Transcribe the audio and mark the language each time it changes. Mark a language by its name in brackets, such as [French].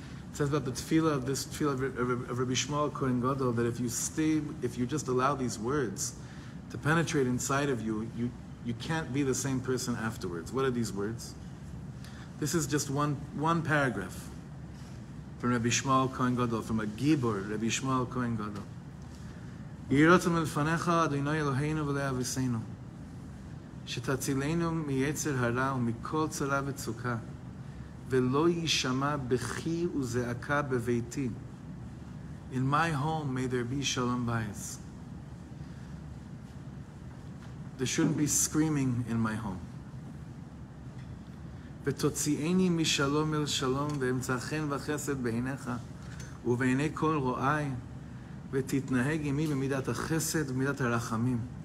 [English] It says about the tefillah of this tefillah of Rabbi Shmuel Kohen Gadol, that if you just allow these words to penetrate inside of you, you can't be the same person afterwards. What are these words? This is just one paragraph from Rabbi Shmuel Kohen Gadol, from a gibor, Rabbi Shmuel Kohen Gadol. [Hebrew] Yirotam elfanecha adonai Eloheinu v'lei aviseinu. שתצילנו מיצר הרע ומכל צרה וצוקה, ולא יישמע בכי וזעקה בביתי. [English] In my home may there be shalom bayis. There shouldn't be screaming in my home. [Hebrew] ותוציאני משלום אל שלום, ואמצא חן וחסד בעיניך, ובעיני כל רואי, ותתנהג עמי במידת החסד ומידת הרחמים.